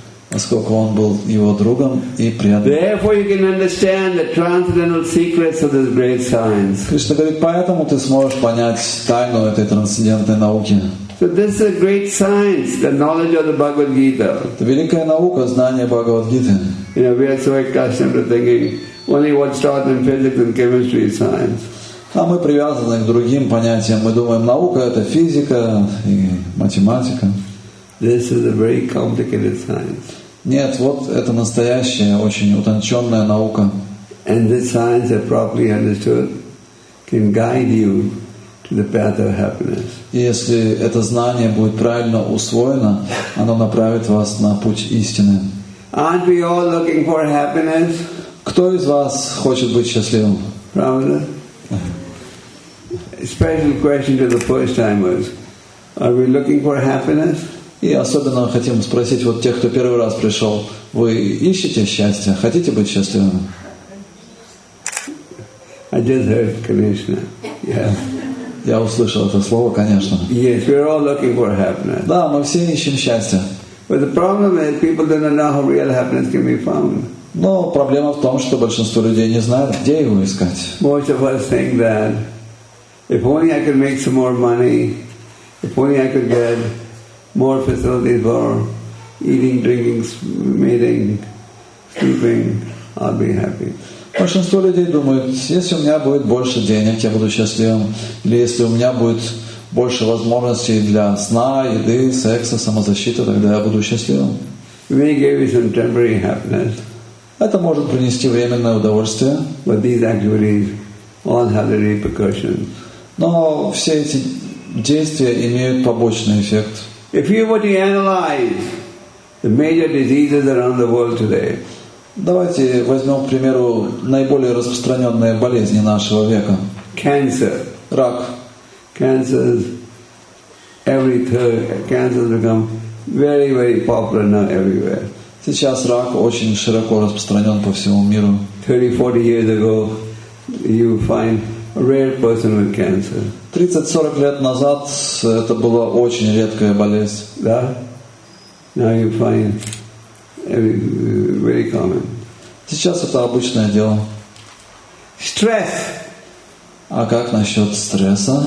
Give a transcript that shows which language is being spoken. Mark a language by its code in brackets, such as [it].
[ru] Поскольку он был его другом и преданным. Кришна говорит, поэтому ты сможешь понять тайну этой трансцендентной науки. [en] So this is a great science, the knowledge of the Bhagavad Gita. [ru] Это великая наука, знание Бхагавад Гиты. [en] You know, we are so accustomed to thinking only what's taught in physics and chemistry is science. [ru] А мы привязаны к другим понятиям. Мы думаем, наука это физика и математика. [en] This is a very complicated science. [ru] Нет, вот это настоящая, очень утонченная наука. [en] And this science, if properly understood, can guide you. The path of happiness. [ru] Если это знание будет правильно усвоено, оно направит вас на путь истины. [en] Aren't we all looking for happiness? [ru] Кто из вас хочет быть счастливым? Правда? [en] Special question to the first timers. Are we looking for happiness? [ru] И особенно хотим спросить вот тех, кто первый раз пришел. Вы ищете счастье? Хотите быть счастливым? [en] I just heard Krishna. Yeah. [ru] Я услышал это слово, конечно. [en] Yes, we're all looking for happiness. [ru] Да, мы все ищем счастье. [en] But the problem is people don't know how real happiness can be found. [ru] Но проблема в том, что большинство людей не знают, где его искать. [en] Most of us think that if only I could make some more money, if only I could get more facilities for eating, drinking, mating, sleeping, I'll be happy. [ru] Большинство людей думают, если у меня будет больше денег, я буду счастливым. Или если у меня будет больше возможностей для сна, еды, секса, самозащиты, тогда я буду счастливым. [en] May give you some temporary happiness. [ru] Это может принести временное удовольствие. [en] But these actually all have the repercussions. [ru] Но все эти действия имеют побочный эффект. [en] If you were to analyze the major diseases around the world today, [ru] давайте возьмем, к примеру, наиболее распространенные болезни нашего века. [en] Cancer. [ru] Рак. [en] Cancers. Every third cancers become very, very popular now everywhere. [ru] Сейчас рак очень широко распространен по всему миру. [en] 30-40 years ago, you find a rare person with cancer. [ru] 30-40 лет назад это была очень редкая болезнь. Да? [en] Now you find. Very common. [ru] Сейчас это обычное дело. [en] Stress. [ru] А как насчет стресса?